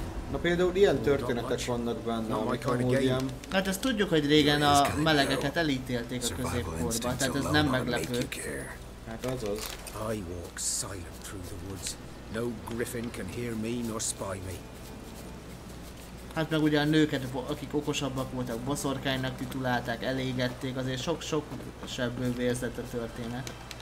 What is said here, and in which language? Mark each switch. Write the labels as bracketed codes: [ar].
[hu] Na például ilyen történetek vannak benne, amikor mondjam. Hát ezt tudjuk, hogy régen a melegeket elítélték a középkorban, tehát ez nem meglepő. Hát azaz. [en] I walk silent through the woods. No Griffin can hear me nor spy me. [hu] Hát meg ugye a nőket, akik okosabbak voltak, boszorkánynak titulálták, elégették, azért sok-sok sebből vérzett a történet.